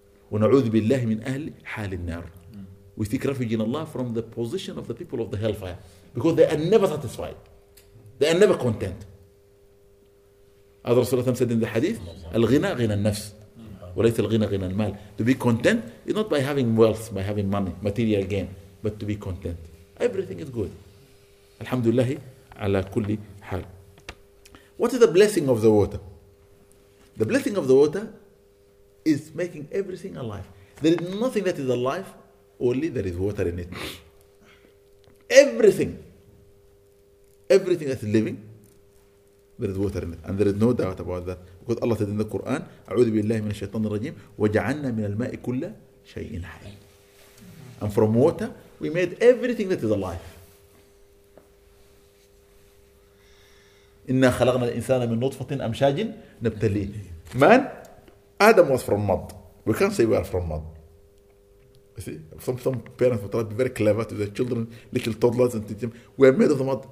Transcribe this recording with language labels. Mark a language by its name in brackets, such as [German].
[Arabic] ونعوذ بالله من أهل حال النار. [English] We seek refuge in Allah from the position of the people of the hellfire because they are never satisfied. They are never content. As Rasulullah said in the hadith, [Arabic] الغنى غنى النفس وليس الغنى غنى المال. [English] To be content is not by having wealth, by having money, material gain, but to be content. Everything is good. [Arabic] الحمد لله على كل حال. [English] What is the blessing of the water? The blessing of the water is making everything alive. There is nothing that is alive, only there is water in it. Everything that is living, there is water in it. And there is no doubt about that. Because Allah said in the Quran, [Arabic] أعوذ بالله من الشيطان الرجيم وجعلنا من الماء كل شيء حي. [English] And from water, we made everything that is alive. [Arabic] إِنَّا خَلَقْنَا الْإِنسَانَ مِنْ نُطْفَةٍ أَمْشَاجٍ نَبْتَلِيهِ. [English] Man, Adam was from mud. We can't say we are from mud. You see, some parents will try to be very clever to their children, little toddlers, and teach them, we are made of the mud.